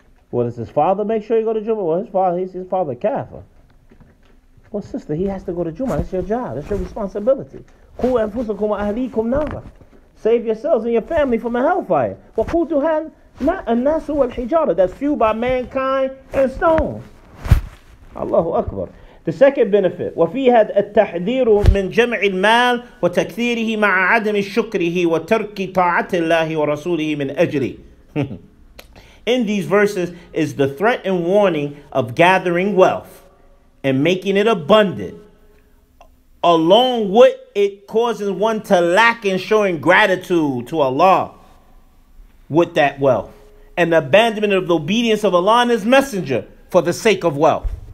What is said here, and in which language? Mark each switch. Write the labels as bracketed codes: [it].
[en] Well, does his father make sure you go to Jummah? Well, his father, Kafir. Well, sister, he has to go to Jummah. That's your job. That's your responsibility. Who anfusakum wa ahlikum nara. Save yourselves and your family from a hellfire. Well, who do have not a nasu wal hijara? That's fueled by mankind and stone. Allahu Akbar. [ar] The second benefit, وَفِيهَا التَّحْذِيرُ مِنْ جَمْعِ الْمَالِ وَتَكْثِيرِهِ مَعَ عَدَمِ الشُّكْرِهِ وَتَرْكِ طَاعَةِ اللَّهِ وَرَسُولِهِ مِنْ أَجْرِ. [en] In these verses is the threat and warning of gathering wealth and making it abundant, along with it causing one to lack in showing gratitude to Allah with that wealth, and the abandonment of the obedience of Allah and His Messenger for the sake of wealth.